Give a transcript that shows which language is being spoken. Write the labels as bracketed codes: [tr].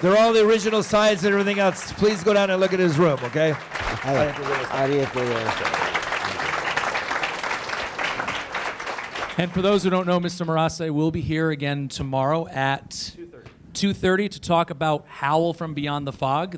[en] They're all the original sides and everything else. Please go down and look at his room, okay? [ja] ありがとうございました。 [en] And for those who don't know, Mr. Murase will be here again tomorrow at 2:30 to talk about Howl from Beyond the Fog.